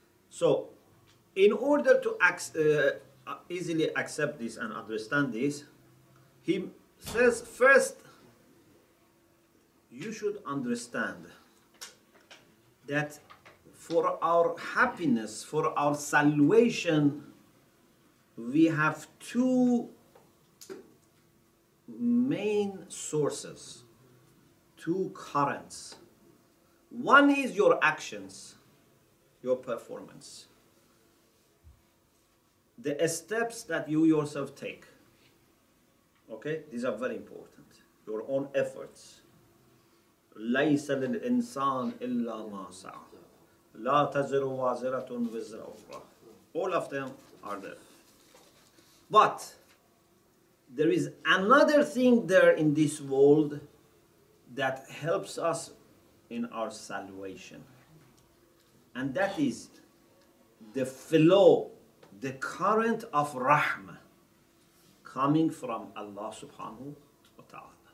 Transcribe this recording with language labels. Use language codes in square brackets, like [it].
[en] So, in order to easily accept this and understand this, he says, first, you should understand that for our happiness, for our salvation, we have two main sources, two currents. One is your actions, your performance, the steps that you yourself take. Okay, these are very important. Your own efforts. [ar] ليس للإنسان إلا ما سعى لا تزر وازرة وزر أخرى. [en] All of them are there. But there is another thing there in this world that helps us in our salvation. And that is the flow, the current of rahmah coming from Allah subhanahu wa ta'ala.